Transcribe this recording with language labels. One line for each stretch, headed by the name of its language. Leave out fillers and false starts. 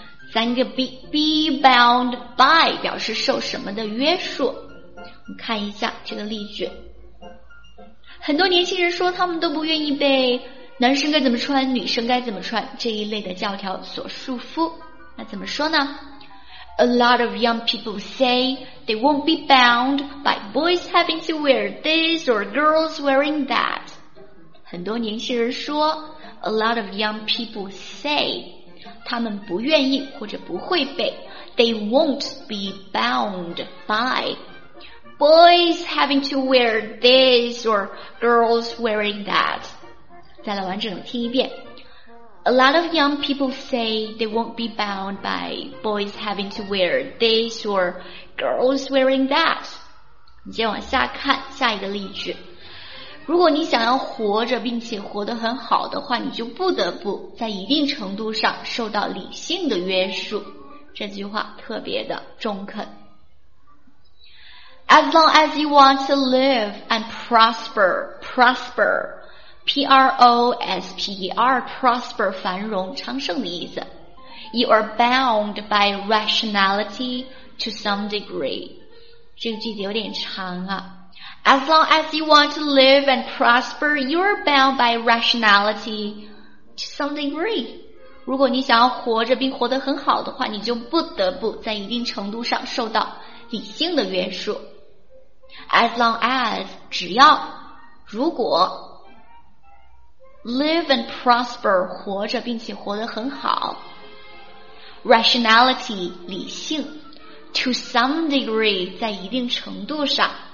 Chinese: 三个
English: be bound by
Chinese: 表示受什么的约束。我们看一下这个例句，很多年轻人说他们都不愿意被男生该怎么穿、女生该怎么穿这一类的教条所束缚。那怎么说呢？
English: A lot of young people say they won't be bound by boys having to wear this or girls wearing that.
Chinese: 很多年轻人说
English: A lot of young people say
Chinese: 他们不愿意或者不会被
English: They won't be bound byBoys having to wear this or girls wearing that.
Chinese: 再来完整的听一遍。
English: A lot of young people say they won't be bound by boys having to wear this or girls wearing that.
Chinese: 你接往下看下一个例句。如果你想要活着并且活得很好的话，你就不得不在一定程度上受到理性的约束。这句话特别的中肯。
English: As long as you want to live and prosper, prosper, P-R-O-S-P-E-R, prosper,
Chinese: 繁荣昌盛的意思
English: You are bound by rationality to some degree.
Chinese: 这个句子有点长啊。
English: As long as you want to live and prosper, you are bound by rationality to some degree.
Chinese: 如果你想要活着并活得很好的话，你就不得不在一定程度上受到理性的约束。
English: As long as,
Chinese: 只要,如果
English: Live and prosper,
Chinese: 活着并且活得很好 Rationality, 理性
English: To some degree,
Chinese: 在一定程度上